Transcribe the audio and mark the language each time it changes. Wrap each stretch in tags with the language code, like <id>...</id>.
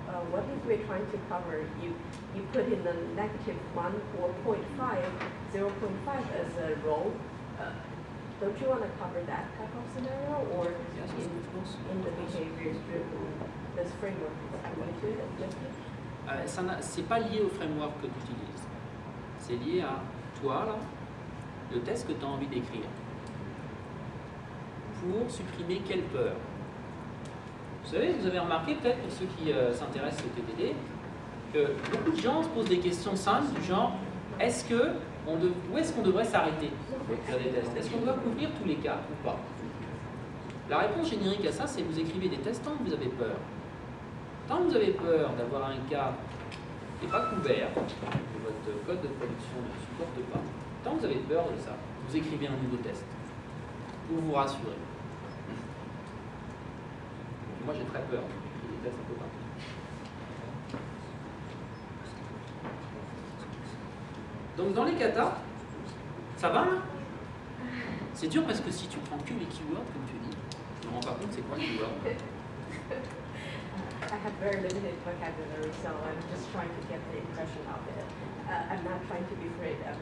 <en>what if we're trying to cover, you put in the negative 1 or 0.5, 0.5 as a role, don't you want to cover that type of scenario, or yes, in, of course, in the behaviors driven, this framework is going to adjust it?</en> <fr>Ce n'est pas lié au framework que tu utilises. C'est lié à toi, là, le test que tu as envie d'écrire. Pour supprimer quelle peur? Vous avez remarqué, peut-être, pour ceux qui s'intéressent au TDD, que beaucoup de gens se posent des questions simples, du genre, où est-ce qu'on devrait s'arrêter pour faire des tests? Est-ce qu'on doit couvrir tous les cas ou pas? La réponse générique à ça, c'est vous écrivez des tests tant que vous avez peur. Tant que vous avez peur d'avoir un cas qui n'est pas couvert, que votre code de production ne supporte pas, tant que vous avez peur de ça, vous écrivez un nouveau test pour vous rassurer. Moi, j'ai très peur. J'ai des tests un peu partout. Donc, dans les katas, ça va, là? C'est dur parce que si tu prends que les keywords, comme tu dis, tu ne te rends pas compte c'est quoi les keywords.</fr> <en>I have very limited vocabulary, so I'm just trying to get the impression of it. I'm not trying to be afraid.</en>